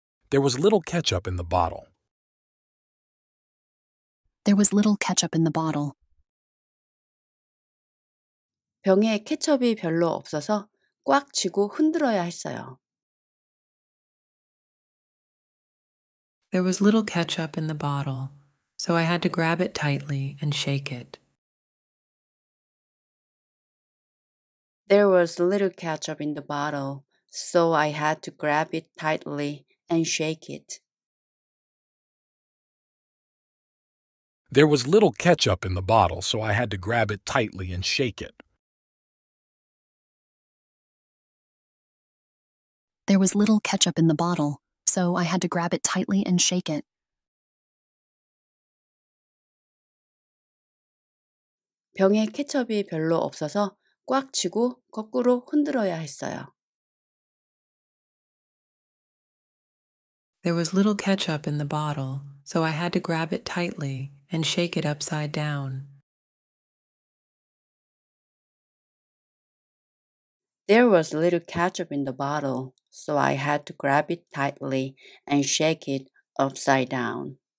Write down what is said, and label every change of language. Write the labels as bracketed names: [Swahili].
[English] There was little ketchup in the bottle. There was little ketchup in the bottle. [Korean] 병에 케첩이 별로 없어서 꽉 쥐고 흔들어야 했어요. [English] There was little ketchup in the bottle, so I had to grab it tightly and shake it. There was little ketchup in the bottle, so I had to grab it tightly and shake it. There was little ketchup in the bottle, so I had to grab it tightly and shake it. There was little ketchup in the bottle. So I had to grab it tightly and shake it. [Korean] 병에 케첩이 별로 없어서 꽉 쥐고 거꾸로 흔들어야 했어요. [English] There was little ketchup in the bottle, so I had to grab it tightly and shake it upside down. There was a little ketchup in the bottle, so I had to grab it tightly and shake it upside down.